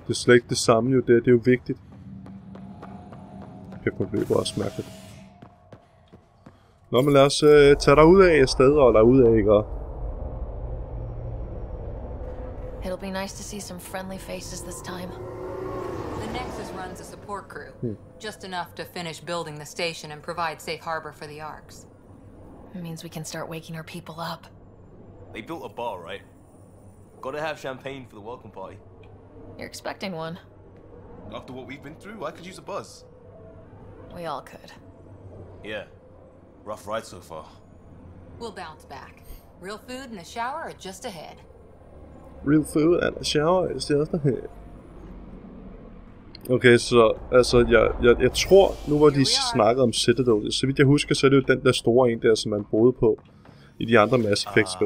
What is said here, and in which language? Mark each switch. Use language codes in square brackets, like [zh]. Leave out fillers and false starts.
[da] Det er slet ikke det samme jo der, det er jo vigtigt. Kæft, hun løber også mærkeligt. Nå, men lad os tage dig ud af stedet og lade ud af, ikke? [en] It'll be nice to see some friendly faces this time. The Nexus runs a support crew. Just enough to finish building the station and provide safe harbor for the Arcs. It means we can start waking our people up. They built a bar, right? Gotta have champagne for the welcome party. You're expecting one. After what we've been through, I could use a buzz. We all could. Yeah. Rough ride so far. We'll bounce back. Real food and a shower are just ahead. Real food and a shower is just ahead. [da] Okay, så altså, jeg tror, nu hvor de snakker om Citadel, så vidt jeg husker, så er det jo den der store en der, som man boede på i de andre Mass Effect-spil.